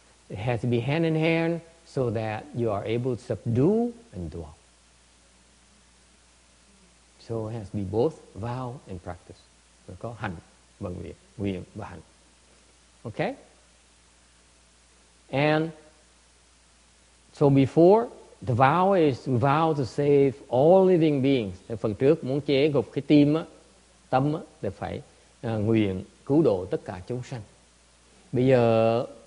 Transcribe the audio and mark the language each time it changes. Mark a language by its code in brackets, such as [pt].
[en] It has to be hand in hand so that you are able to subdue and dwell. So it has to be both vow and practice. [vi] Có hành và nguyện và hành. Okay? [en] And so before, the vow is to vow to save all living beings. [vi] Thì phần trước muốn chế gục cái tim á, tâm á, thì phải nguyện cứu độ tất cả chúng sanh. Bây giờ